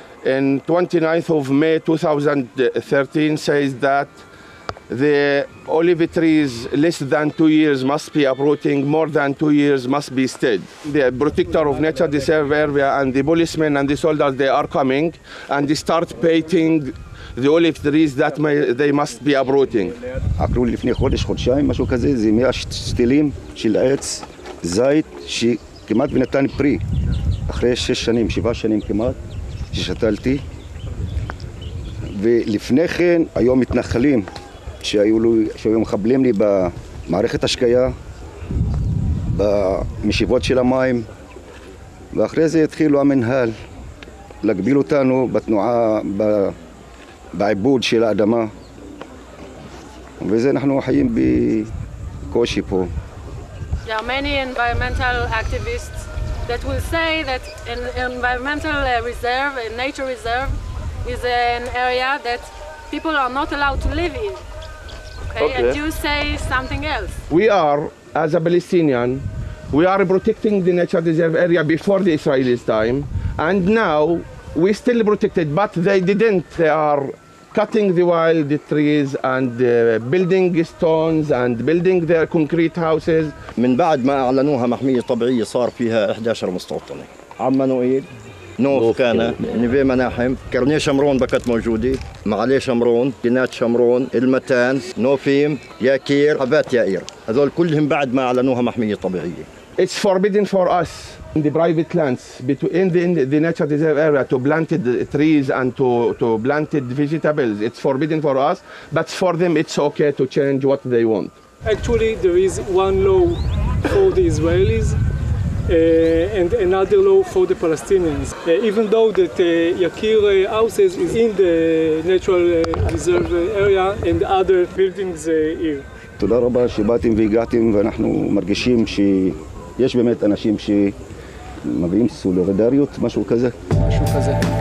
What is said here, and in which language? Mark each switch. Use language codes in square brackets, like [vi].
[en] And 29th of May 2013 says that the olive trees less than 2 years must be uprooting, more than 2 years must be stayed. The protector of nature reserve area and the policemen and the soldiers, they are coming and they start painting the olive trees that may, they must be uprooting. [he] עקרו לי לפני חודש, חודשיים, משהו כזה, זה 100 שתילים של עץ, זית, שכמעט ונתן פרי. אחרי 6 שנים, 7 שנים כמעט, ששתלתי. ולפני כן, היום מתנחלים שהיו מחבלים לי במערכת השקיה, במשיבות של המים, ואחרי זה התחילו המנהל להגביל אותנו בתנועה, בעיבוד של האדמה, וזה אנחנו חיים בקושי פה. [en] There are many environmental activists that will say that an environmental reserve, a nature reserve, is an area that people are not allowed to live in. Okay. And you say something else. We are, as a Palestinian, we are protecting the nature reserve area before the Israelis' time, and now we still protect it, but they didn't. They are cutting the wild trees and building stones and building their concrete houses. [ar] من بعد ما اعلنوها محمية طبيعية صار فيها 11 مستوطنة. عم نويل, نوف كان, نبي مناحم, كرني شمرون بكت موجودة, معالي شمرون, كنات شمرون, المتان, نوفيم, ياكير, حبات ياير. هذول كلهم بعد ما اعلنوها محمية طبيعية. [en] It's forbidden for us in the private lands between the nature reserve area to plant the trees and to plant the vegetables. It's forbidden for us, but for them it's okay to change what they want. Actually, there is one law for the Israelis and another law for the Palestinians. Even though that Yakir houses is in the natural reserve area and other buildings here. [he] תודה רבה שבאתם והגעתם ואנחנו מרגישים ש... יש באמת אנשים שמביאים סולידריות, משהו כזה. משהו כזה.